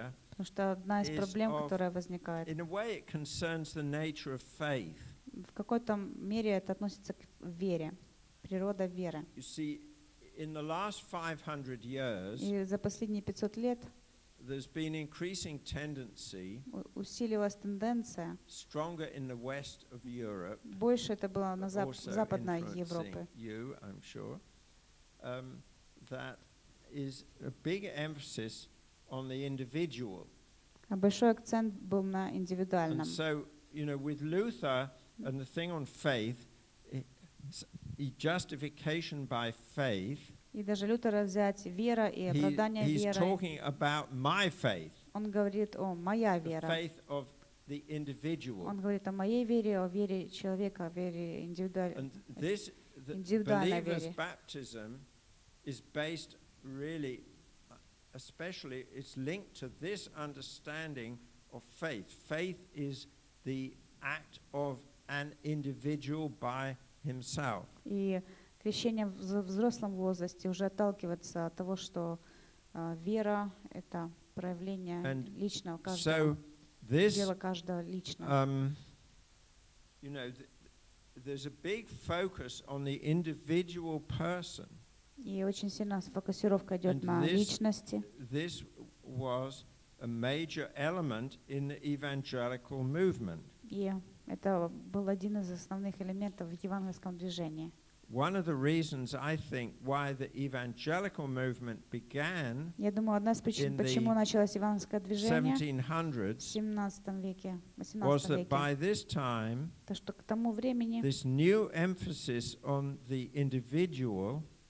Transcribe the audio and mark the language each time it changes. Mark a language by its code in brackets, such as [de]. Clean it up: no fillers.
[ru] Потому что одна из проблем, которая возникает, в какой-то мере это относится к вере, природа веры. И за последние 500 лет [en] there's been increasing tendency, [ru] усилилась тенденция, [en] stronger in the west of Europe, [ru] больше это было на западной Европе. [en] You, I'm sure, that is a big emphasis on the individual. [ru] А большой акцент был на индивидуальном. [en] And so, you know, with Luther and the thing on faith, justification by faith. [ru] И даже Лютера взять вера и оправдание верой. Он говорит о моя вера. Он говорит о моей вере, о вере человека, о вере индивидуальной вере. [en] Baptism is based really, especially it's linked to this understanding of faith. Faith is the act of an individual by himself. [ru] Крещение в взрослом возрасте уже отталкивается от того, что вера — это проявление личного каждого, дело каждого личного. [en] You know, there's a big focus on the individual person. [ru] И очень сильно фокусировка идет на личности. [en] This was a major element in the evangelical movement. [ru] И это был один из основных элементов в евангельском движении. [en] One of the reasons I think why the evangelical movement began in the 1700s was that by this time this new emphasis on the individual